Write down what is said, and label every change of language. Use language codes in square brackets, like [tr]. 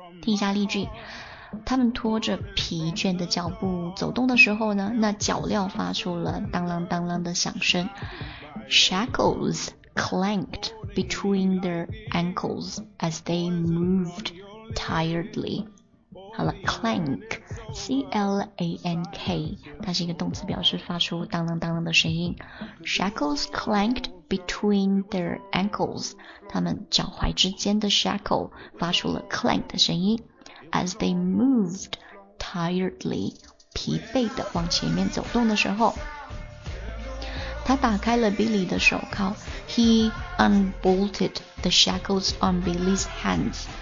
[zh] 听一下例句，他们拖着疲倦的脚步走动的时候呢，那脚镣发出了当啷当啷的响声。 [en] Shackles clanked between their ankles as they moved tiredly. [zh] 好了 ，clank c l a n k， 它是一个动词，表示发出当啷当啷的声音。 [en] Shackles clanked. Between their ankles, [zh] 他们脚踝之间的 shackle 发出了 clank 的声音。 [en] As they moved tiredly, [zh] 疲惫地往前面走动的时候，他打开了 Billy 的手铐。 [en] He unbolted the shackles on Billy's hands.